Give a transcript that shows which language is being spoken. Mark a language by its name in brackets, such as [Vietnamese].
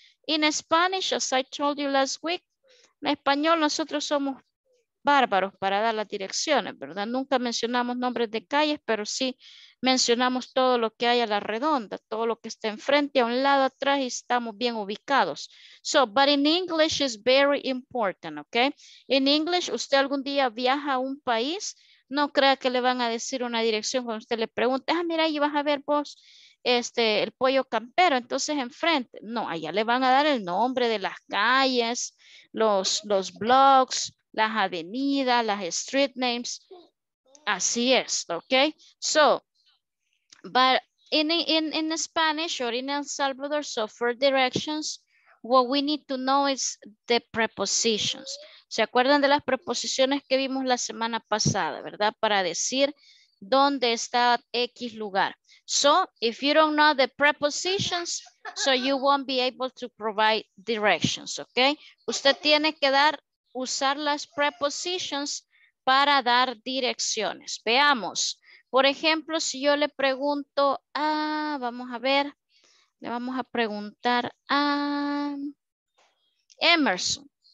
[English] In Spanish, as I told you last week, [Spanish] en español nosotros somos bárbaros para dar las direcciones, ¿verdad? Nunca mencionamos nombres de calles, pero sí mencionamos todo lo que hay a la redonda, todo lo que está enfrente, a un lado, atrás, y estamos bien ubicados. [English] So, but in English is very important, ¿ok? In English, [Spanish] usted algún día viaja a un país, no crea que le van a decir una dirección cuando usted le pregunte, ah, mira, ahí vas a ver vos el pollo campero, entonces enfrente. No, allá le van a dar el nombre de las calles, los blocks, las avenidas, las street names. Así es, ¿ok? [English] So, but in Spanish or in El Salvador, so for directions, what we need to know is the prepositions. [Spanish] ¿Se acuerdan de las preposiciones que vimos la semana pasada, verdad? Para decir dónde está X lugar. [English] So, if you don't know the prepositions, so you won't be able to provide directions, ¿ok? [Spanish] Usted tiene que usar las prepositions para dar direcciones. Veamos. Por ejemplo, si yo le pregunto a, vamos a ver, le vamos a preguntar a Emerson.